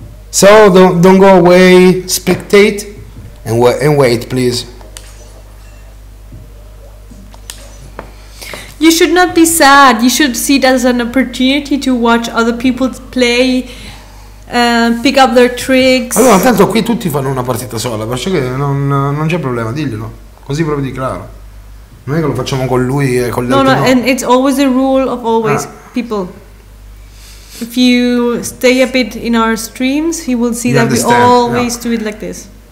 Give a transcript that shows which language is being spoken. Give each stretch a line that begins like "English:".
English: So don't go away, spectate, and wait, please. You should not be sad. You should see it as an opportunity to watch other people play, pick up their tricks.
Italian: Allora, tanto qui tutti fanno una partita sola, perciò che non c'è problema, diglielo. Così proprio di claro. Non è che lo facciamo con lui e con gli altri.
English: No, and it's always the rule of always people. If you stay a bit in our streams, he will see that we always do it like this.